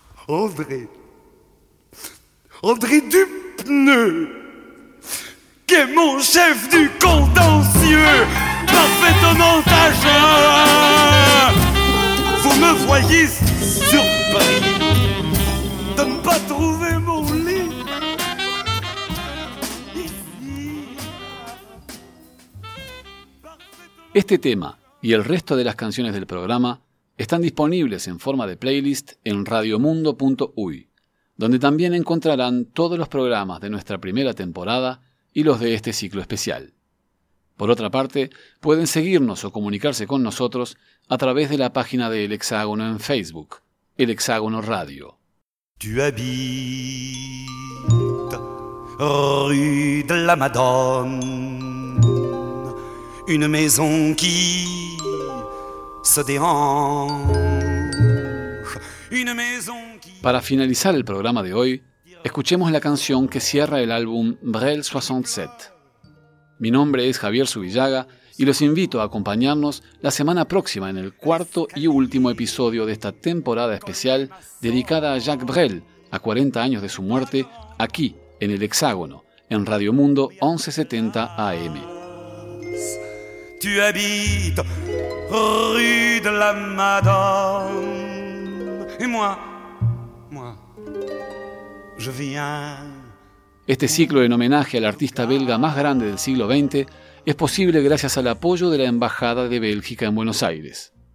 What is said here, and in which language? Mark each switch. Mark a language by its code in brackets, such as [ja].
[fr] André. André Dupneu, qui est mon chef du contentieux, parfaitement à Jean. Vous me voyez surpris de ne pas trouver mon lit ici. [es] Este tema y el resto de las canciones del programa están disponibles en forma de playlist en radiomundo.uy, donde también encontrarán todos los programas de nuestra primera temporada y los de este ciclo especial. Por otra parte, pueden seguirnos o comunicarse con nosotros a través de la página de El Hexágono en Facebook, El Hexágono Radio. [fr] Tu habites rue de la Madone, une maison qui se déhanche, une maison. [es] Para finalizar el programa de hoy, escuchemos la canción que cierra el álbum Brel 67. Mi nombre es Javier Subillaga y los invito a acompañarnos la semana próxima en el cuarto y último episodio de esta temporada especial dedicada a Jacques Brel, a 40 años de su muerte, aquí, en el Hexágono, en Radio Mundo 1170 AM. [fr] Tu habites rue de la Madone. Et moi, moi, je viens. [es] Este ciclo en homenaje al artista belga más grande del siglo XX es posible gracias al apoyo de la Embajada de Bélgica en Buenos Aires.